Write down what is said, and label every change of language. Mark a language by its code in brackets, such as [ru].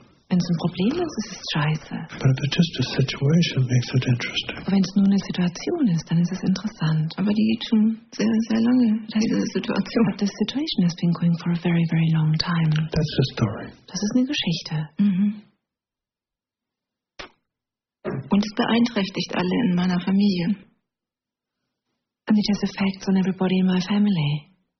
[de] wenn es ein Problem ist, ist es scheiße. [en] But if it's just a situation, makes it interesting. [de] Aber wenn es nur eine Situation ist, dann ist es interessant. Aber die geht schon sehr, sehr lange, diese Situation. [en] But this situation has been going for a very, very long time. That's a story. [de] Das ist eine Geschichte. Mhm. Und es beeinträchtigt alle in meiner Familie. [en] And it has effects on everybody in my family.